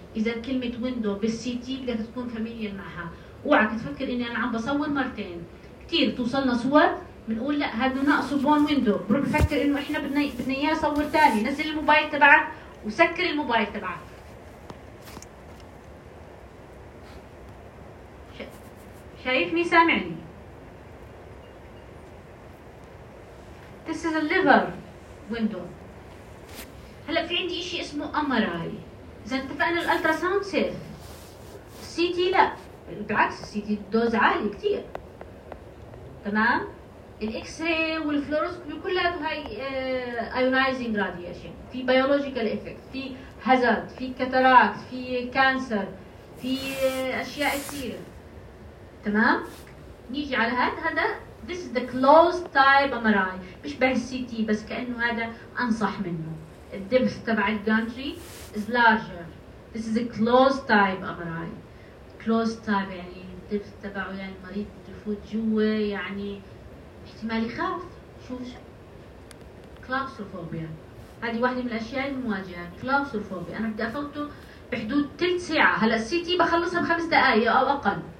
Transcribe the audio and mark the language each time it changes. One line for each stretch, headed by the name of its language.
Arabic: إذا كلمة window بالسي تي بدك تكون familiar معها. وعك تفكر إني أنا عم بصور مرتين. كتير توصلنا صور بنقول لا هذا ناقصه bone window. بروح بفكر إنه إحنا بدنا إياه صور تاني. نزل الموبايل تبعك وسكر الموبايل تبعك. شايفني سامعني؟
English: This is a liver window.
Arabic: هلا في عندي اشي اسمه MRI. اذا اتفقنا الالترا ساوند سيف، السي تي لا، بالعكس السي تي الدوز عالي كتير، تمام. الاكس راي والفلوروسكوبي كلها هاي ايونايزنج راديشن، في بيولوجيكال افكت، في هازارد، في كاتاراكت، في كانسر، في اشياء كتير، تمام. نيجي على هذا
English: this is the closed type MRI،
Arabic: مش بعد السي تي بس كانه هذا انصح منه.
English: الدبث تبع الجانتري is larger. This is a closed type MRI.
Arabic: Closed type يعني الدبث تبعه يعني المريض يفوت جوا يعني احتمال يخاف. شوف claustrophobia. هذه واحدة من الأشياء المواجهة.
English: claustrophobia.
Arabic: أنا بدي أخلطه بحدود تلت ساعة. هلا السي تي بخلصها بخمس دقائق أو أقل.